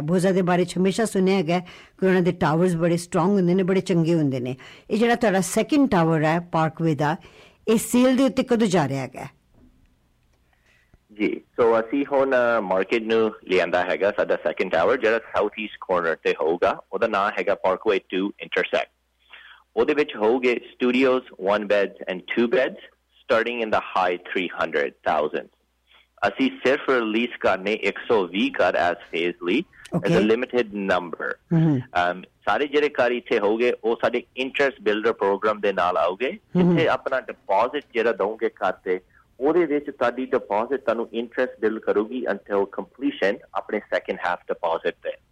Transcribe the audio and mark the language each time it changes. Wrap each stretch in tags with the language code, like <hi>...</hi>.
<pa>ਬੋਜ਼ਾ ਦੇ ਬਾਰੇ 'ਚ ਹਮੇਸ਼ਾ ਸੁਣਿਆ ਹੈਗਾ ਕਿ ਉਹਨਾਂ ਦੇ ਟਾਵਰਸ ਬੜੇ ਸਟਰੋਂਗ ਹੁੰਦੇ ਨੇ, ਬੜੇ ਚੰਗੇ ਹੁੰਦੇ ਨੇ। ਇਹ ਜਿਹੜਾ ਤੁਹਾਡਾ ਸੈਕਿੰਡ ਟਾਵਰ ਹੈ ਪਾਰਕਵੇ ਦਾ, ਇਹ ਸੇਲ ਦੇ ਉੱਤੇ ਕਦੋਂ ਜਾ ਰਿਹਾ ਹੈਗਾ? ਜੀ, ਸੋ ਅਸੀਂ ਹੁਣ ਮਾਰਕੀਟ ਨੂੰ ਲਿਆਂਦਾ ਹੈਗਾ ਸਾਡਾ ਸੈਕਿੰਡ ਟਾਵਰ, ਜਿਹੜਾ ਸਾਊਥ ਈਸਟ ਕੋਰਨਰ ਤੇ ਹੋਊਗਾ। ਉਹਦਾ ਨਾਮ ਹੈਗਾ ਪਾਰਕਵੇ 2 ਇੰਟਰਸੈਕਟ। ਉਹਦੇ ਵਿੱਚ ਹੋਊਗੇ studios,</pa> <en>1 beds and 2 beds, starting in the high 300,000.</en> <pa>ਅਸੀਂ ਸਿਰਫ ਰਿਲੀਜ਼ ਕਰਨੇ 120 ਘਰ ਐਸ ਫੇਜ਼ ਲਈ,</pa> <en>It's a limited number.</en> <pa>ਸਾਰੇ ਜਿਹੜੇ ਘਰ ਇੱਥੇ ਹੋਊਗੇ ਉਹ ਸਾਡੇ ਇੰਟਰਸਟ ਬਿਲਡਰ ਪ੍ਰੋਗਰਾਮ ਦੇ ਨਾਲ ਆਓਗੇ, ਜਿੱਥੇ ਆਪਣਾ ਡਿਪੋਜ਼ਿਟ ਜਿਹੜਾ ਦਊਂਗੇ ਘਰ ਤੇ, ਉਹਦੇ ਵਿੱਚ ਤੁਹਾਡੀ ਡਿਪੋਜ਼ਿਟ ਤੁਹਾਨੂੰ ਇੰਟਰਸਟ ਬਿਲ ਕਰੂਗੀ ਅੰਟਿਲ ਕੰਪਲੀਸ਼ਨ ਆਪਣੇ ਸੈਕਿੰਡ ਹਾਫ ਡਿਪੋਜ਼ਿਟ ਤੇ।</pa>